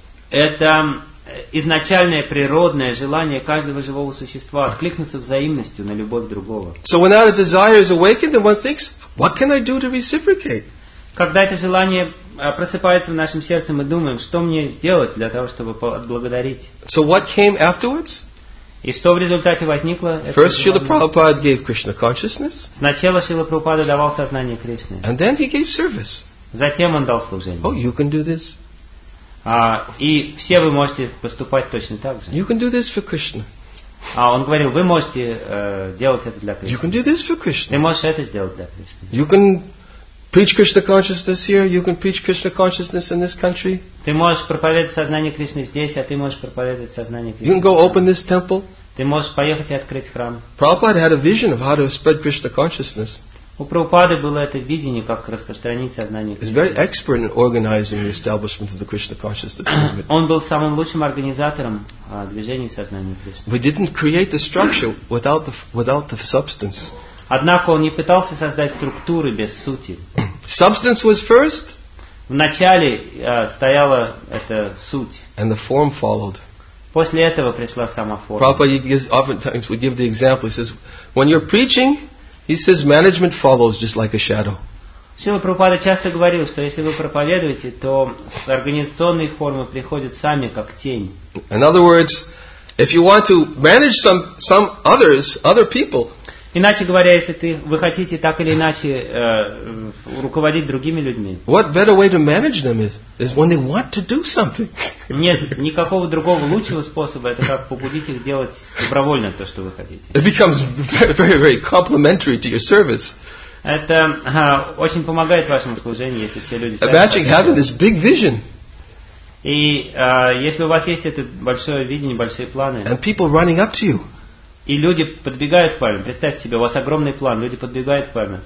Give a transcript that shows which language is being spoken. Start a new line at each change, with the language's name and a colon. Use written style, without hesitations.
Russian: Это изначальное природное желание каждого живого существа откликнуться взаимностью на любовь другого.
English: So when that desire is awakened, then one thinks, what can I do to reciprocate?
Russian: Когда это желание просыпается в нашем сердце, мы думаем, что мне сделать для того, чтобы отблагодарить.
English: So what came afterwards?
Russian: И что в результате возникло?
English: First, Srila Prabhupada gave Krishna consciousness.
Russian: Сначала Шрила Прабхупада давал сознание Кришне.
English: And then he gave service.
Russian: Затем он дал служение.
English: Oh, you can do this.
Russian: И все вы можете поступать точно так же.
English: You can do this for Krishna.
Russian: Он говорил, вы можете делать это для Кришны.
English: You can do this for Krishna.
Russian: Ты можешь это сделать для Кришны.
English: You can preach Krishna consciousness here. You can preach Krishna consciousness in this country.
Russian: Ты можешь проповедовать сознание Кришны здесь, а ты можешь проповедовать сознание Кришны.
English: You can go open this temple.
Russian: Ты можешь поехать и открыть храм.
English: Prabhupada had a vision of how to spread Krishna consciousness.
Russian: У Прабхупады было это видение, как распространить сознание Кришны.
English: He's very expert in organizing the establishment of the Krishna consciousness movement.
Russian: Он был самым лучшим организатором движения сознания Кришны.
English: We didn't create the structure without the substance.
Russian: Однако он не пытался создать структуры без сути.
English: Substance was first.
Russian: Вначале стояла эта суть.
English: And the form followed.
Russian: После этого пришла сама форма.
English: Prabhupada oftentimes would give the example. He says, when you're preaching, he says, management follows just like a shadow.
Russian: Шрила Прабхупада часто говорил, что если вы проповедуете, то организационные формы приходят сами, как тень.
English: In other words, if you want to manage some other people.
Russian: Иначе говоря, если вы хотите так или иначе руководить другими людьми.
English: What better way to manage them is when they want to do something.
Russian: Нет никакого другого лучшего способа, это как побудить их делать добровольно то, что вы хотите.
English: It becomes very, very, very complimentary to your service.
Russian: Это очень помогает вашему служению, если все люди.
English: Imagine having this big vision.
Russian: И если у вас есть это большое видение, большие планы.
English: And people running up to you.
Russian: И люди подбегают к вам. Представьте себе, у вас огромный план. Люди подбегают к вам.